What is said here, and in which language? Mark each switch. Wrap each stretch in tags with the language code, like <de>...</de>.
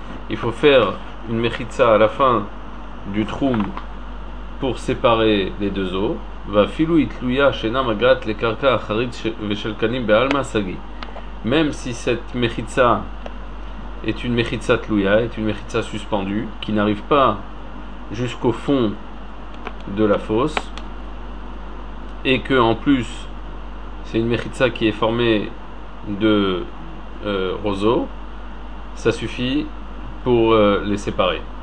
<fr>Il faut faire une mechitsa à la fin du troum pour séparer les deux eaux.</fr> <he>ואפילו היא תלויה שאינה מגעת לקרקע אחרית ושל קנים בעלמא סגי.</he> <fr>Même si cette mechitsa est une mechitsa tluya, est une mechitsa suspendue, qui n'arrive pas jusqu'au fond de la fosse, et que en plus c'est une mechitsa qui est formée de roseaux, ça suffit pour les séparer.</fr>